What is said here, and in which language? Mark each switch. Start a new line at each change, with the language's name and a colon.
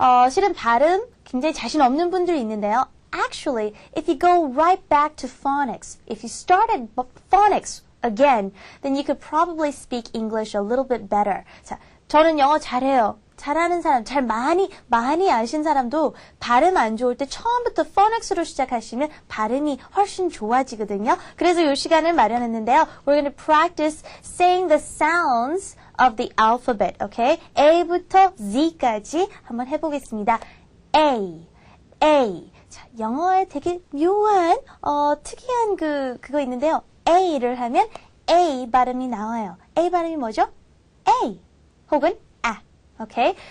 Korean: 실은 발음 굉장히 자신 없는 분들이 있는데요.
English: Actually, if you go right back to phonics, if you start at phonics again, then you could probably speak English a little bit better.
Korean: 자, 저는 영어 잘해요. 잘하는 사람, 잘 많이 아신 사람도 발음 안 좋을 때 처음부터 phonics로 시작하시면 발음이 훨씬 좋아지거든요. 그래서 이 시간을 마련했는데요.
English: We're going to practice saying the sounds of the alphabet, okay?
Korean: A부터 Z까지 한번 해보겠습니다.
English: A, A.
Korean: 자, 영어에 되게 묘한, 특이한 그거 있는데요. A를 하면 A 발음이 나와요. A 발음이 뭐죠? A 혹은 A.
English: Okay?